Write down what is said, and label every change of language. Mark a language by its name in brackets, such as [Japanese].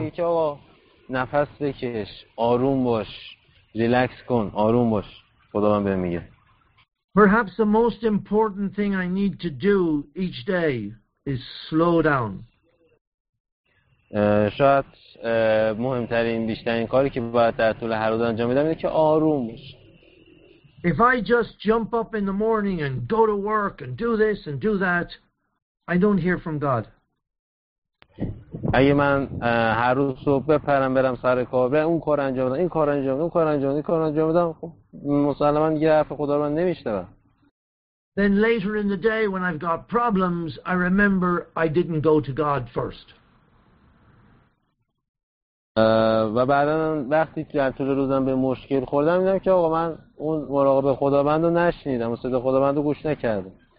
[Persian] میگه آقا نفس بکش, آروم باش, ریلکس کن, آروم باش. خدا هم بهم میگه. [English] Perhaps the most important thing I need to do each day is slow down. [Persian] شاید مهمترین بیشترین کاری که باید در طول هر روز انجام بدم اینه که آروم باشم. [English] If I just jump up in the morning and go to work and do this and do that, I don't hear from God. [Persian] اگه من هر روز صبح بپرم برم سر کار، برم اون کار انجام بدم، این کار انجام بدم، اون کار انجام بدم، این کار انجام بدم، خب مسلما دیگه حرف خدا رو من نمیشنوم. [English] Then later in the day when I've got problems, I remember I didn't go to God first. [Persian] و بعدا وقتی در طول روزم به مشکل خوردم، میدم که آقا من اون مراقبه خداوند رو نشنیدم، صدا خداوند رو گوش نکردم.